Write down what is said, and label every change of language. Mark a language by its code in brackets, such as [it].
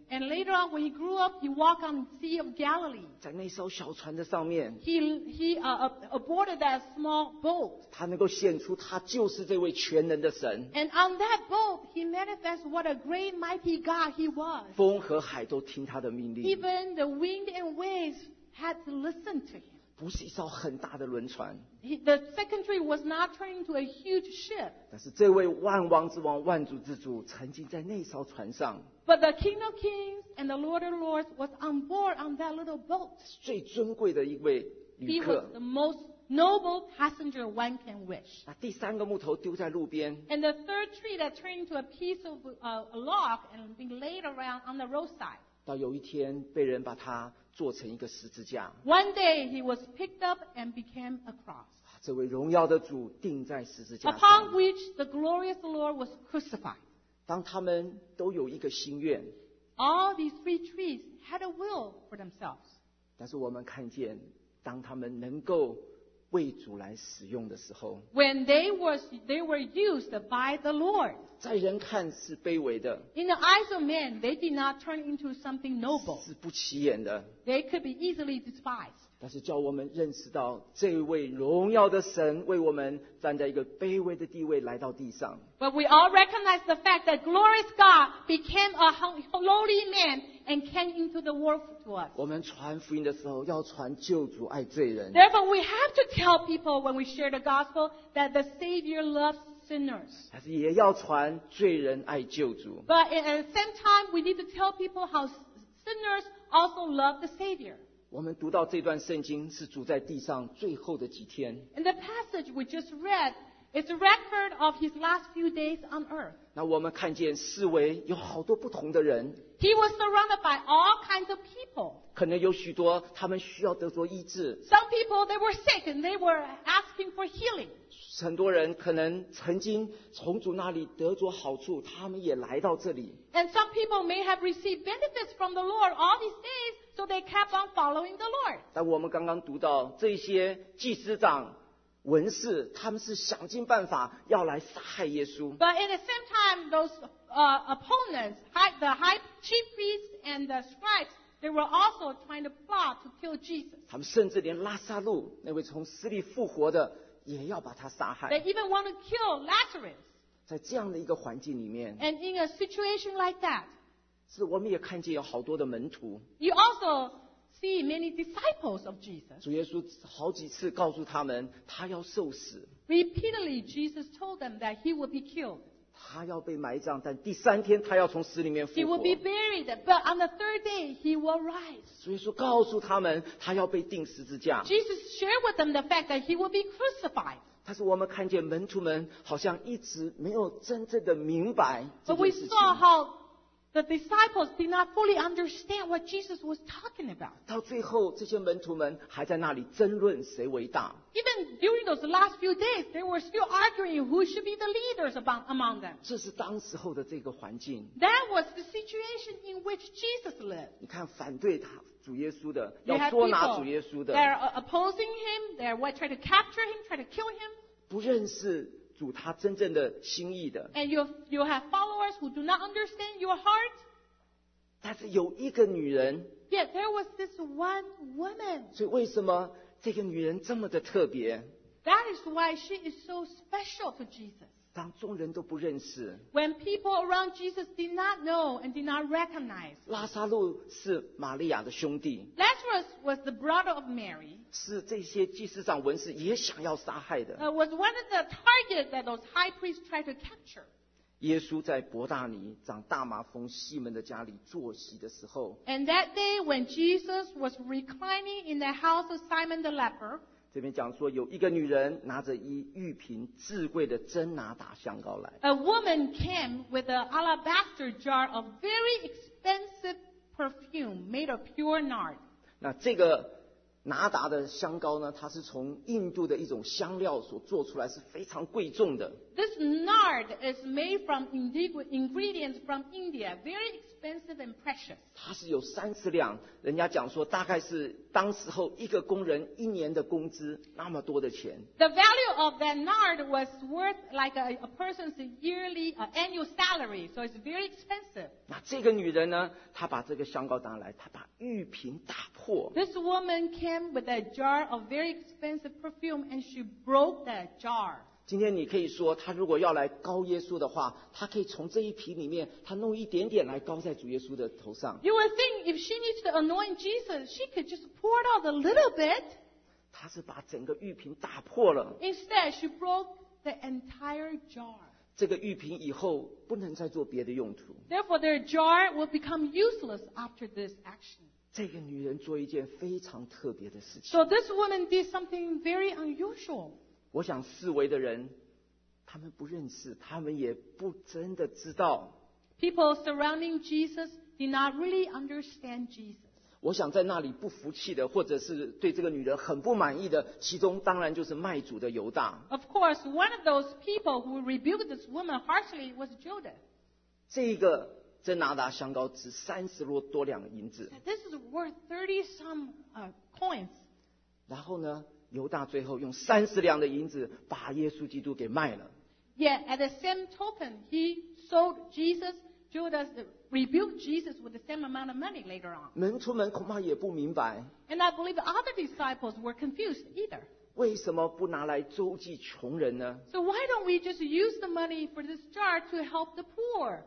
[en] And later on when he grew up he walked on the Sea of Galilee [zh] 在那艘小船的上面 [en] He aborted that small boat [zh] 他能够显出他就是这位全能的神 [en] And on that boat he manifested what a great mighty God he was [zh] 风和海都听他的命令 [en] Even the wind and waves had to listen to him [zh] 不是一艘很大的轮船 [en] The second tree was not turning into a huge ship [zh] 但是这位万王之王万主之主曾经在那艘船上 [en] But the King of Kings and the Lord of Lords was on board on that little boat [zh] 最尊贵的一位旅客 [en] He was the most noble passenger one can wish [zh] 那第三个木头丢在路边 [en] And the third tree that turned into a piece of a log and being laid around on the roadside [zh] 到有一天被人把他做成一个十字架。 [en] One day he was picked up and became a cross. [zh] 这位荣耀的主钉在十字架上。 [en] Upon which the glorious Lord was crucified. [zh] 当他们都有一个心愿。 [en] All these three trees had a will for themselves. [zh] 但是我们看见，当他们能够为主来使用的时候 [en] ，When they were used by the Lord， [zh] 在人看是卑微的 [en] ，In the eyes of men they did not turn into something noble， [zh] 是不起眼的 [en] ，They could be easily despised。 [zh] 但是叫我们认识到，这位荣耀的神为我们站在一个卑微的地位来到地上。 [en] But we all recognize the fact that glorious God became a lowly man and came into the world to us. [zh] 我们传福音的时候要传救主爱罪人。 [en] Therefore, we have to tell people when we share the gospel that the Savior loves sinners. [zh] 但是也要传罪人爱救主。 [en] But at the same time, we need to tell people how sinners also love the Savior. [zh] 我们读到这段圣经是主在地上最后的几天。 [en] In the passage we just read,It's a record of his last few days on earth. [zh] 那我们看见四围有好多不同的人。 [en] He was surrounded by all kinds of people. [zh] 可能有许多他们需要得着医治。 [en] Some people, they were sick and they were asking for healing. [zh] 很多人可能曾经从主那里得着好处，他们也来到这里。 [en] And some people may have received benefits from the Lord all these days, so they kept on following the Lord. [zh] 但我们刚刚读到这些祭司长文士他们是想尽办法要来杀害耶稣。 [en] But at the same time, those opponents, the high chief priests and the scribes, they were also trying to plot to kill Jesus. [zh] 他们甚至连拉撒路那位从死里复活的也要把他杀害。 [en] They even want to kill Lazarus. [zh] 在这样的一个环境里面。 [en] And in a situation like that, [zh] 是我们也看见有好多的门徒。 [en] You also see many disciples of Jesus. [zh] 主耶稣好几次告诉他们他要受死。 [en] Repeatedly, Jesus told them that he would be killed. [zh] 他要被埋葬，但第三天他要从死里面复活。 [en] He will be buried, but on the third day, he will rise. [zh] 主耶稣告诉他们他要被钉十字架。 [en] Jesus shared with them the fact that he will be crucified. [zh] 但是我们看见门徒们好像一直没有真正的明白这件事情。 [en] But we saw how the disciples did not fully understand what Jesus was talking about. [zh] 到最后，这些门徒们还在那里争论谁为大。 [en] Even during those last few days, they were still arguing who should be the leaders among them. [zh] 这是当时候的这个环境。 [en] That was the situation in which Jesus lived. [zh] 你看，反对他主耶稣的，要捉拿主耶稣的。 [en] You have people that are opposing him. They are trying to capture him, trying to kill him. [zh] 不认识主他真正的心意的。 [en] And you have followers who do not understand your heart. [zh] 但是有一个女人。 [en] Yet there was this one woman. [zh] 所以为什么这个女人这么的特别 [en] ？That is why she is so special to Jesus. [zh] 当众人都不认识。 [en] When people around Jesus did not know and did not recognize. [zh] 拉撒路是玛利亚的兄弟。 [en] Lazarus was the brother of Mary. [zh] 是这些祭司长文士也想要杀害的。 [en] Was one of the targets that those high priests tried to capture. [zh] 耶稣在伯大尼长大麻风西门的家里坐席的时候。 [en] And that day when Jesus was reclining in the house of Simon the leper. [zh] 这边讲说有一个女人拿着一玉瓶至贵的真拿达香膏来。 [en] A woman came with an alabaster jar of very expensive perfume made of pure nard. [zh] 那这个拿达的香膏呢，它是从印度的一种香料所做出来，是非常贵重的。 [en] This nard is made from ingredients from India, very expensive and precious. [zh] 它是有30两，人家讲说大概是当时候一个工人一年的工资那么多的钱。 [en] The value of that nard was worth like a person's yearly, annual salary, so it's very expensive. [zh] 那这个女人呢，她把这个香膏拿来，她把玉瓶打破。 [en] This woman came with a jar of very expensive perfume and she broke that jar. [zh] 今天你可以说他如果要来膏耶稣的话他可以从这一瓶里面他弄一点点来膏在主耶稣的头上。 [en] You would think if she needs to anoint Jesus, she could just pour it out a little bit. [zh] 他是把整个玉瓶打破了。 [en] Instead, she broke the entire jar. [zh] 这个玉瓶以后不能再做别的用途。 [en] Therefore, their jar will become useless after this action. [zh] 这个女人做一件非常特别的事情。 [en] So this woman did something very unusual. [zh] 我想四围的人他们不认识他们也不真的知道 [en] People surrounding Jesus did not really understand Jesus. [zh] 我想在那里不服气的，或者是对这个女人很不满意的，其中当然就是卖主的犹大。 [en] Of course, one of those people who rebuked this woman harshly was Judas. [zh] 这一个真拿达香膏值三十罗多两银子。 [en] This is worth 30 some coins. [zh] 然后呢，犹大最后用三十两的银子把耶稣基督给卖了。 [en] Yet at the same token, he sold Jesus. Judas rebuked Jesus with the same amount of money later on. [zh] 门徒们恐怕也不明白。 [en] And I believe the other disciples were confused either. [zh] 为什么不拿来周济穷人呢？ [en] So why don't we just use的 money for this jar to help the poor?